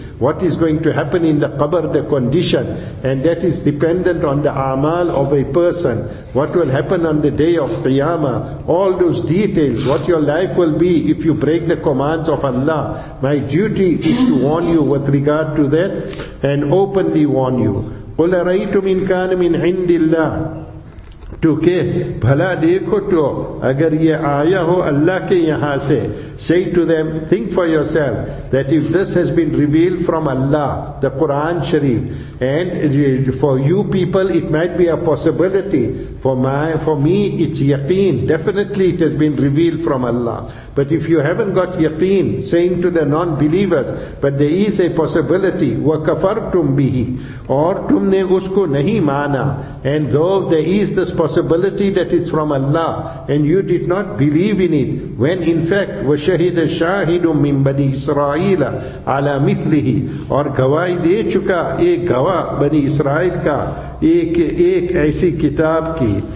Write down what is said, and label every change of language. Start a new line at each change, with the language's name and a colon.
English: What is going to happen in the qabr, the condition. And that is dependent on the amal of a person. What will happen on the day of Qiyamah. All those details, what your life will be if you break the commands of Allah. My duty is to warn you with regard to that, and openly warn you.
Arabic: قُلَ رَيْتُمْ إِنْ كَانَ مِنْ عِنْدِ اللَّهِ.
Urdu: تو کہ بھلا دیکھو تو اگر یہ آیا ہو اللہ کے یہاں سے.
English: Say to them, think for yourself, that if this has been revealed from Allah, the Quran Sharif, and for you people it might be a possibility, For me, it's yaqeen. Definitely it has been revealed from Allah. But if you haven't got yaqeen, saying to the non-believers, but there is a possibility,
Arabic: وَكَفَرْتُمْ بِهِ
English: or
Urdu: تُمْنَ usku nahi mana,
English: and though there is this possibility that it's from Allah, and you did not believe in it, when in fact,
Arabic: وَشَهِدَ شَاهِدٌ مِّن بَنِي إِسْرَائِيلَ عَلَىٰ مِثْلِهِ
Urdu: اور گواہ دے چکا ایک گواہ بنی اسرائیل کا ایک ایسی کتاب کی.